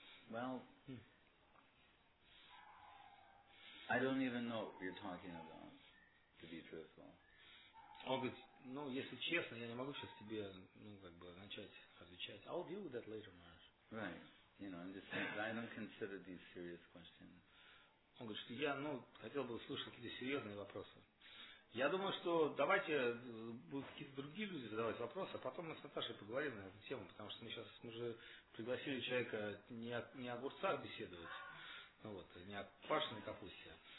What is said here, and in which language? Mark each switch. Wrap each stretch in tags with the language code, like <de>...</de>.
<en>Well, I don't even know what you're talking about, to be truthful.</en> <ru>Ну, если честно, я не могу сейчас тебе, ну, как бы, начать отвечать.</ru> <en>I'll deal with that later, Maharaj. Right. You know, I'm just saying, I don't consider these serious questions.</en> <ru>Он говорит, что я, ну, хотел бы услышать какие-то серьезные вопросы. Я думаю, что давайте будут какие-то другие люди задавать вопросы, а потом мы с Наташей поговорим на эту тему, потому что мы же пригласили человека не о огурцах беседовать, ну, вот, не о квашеной капусте.</ru>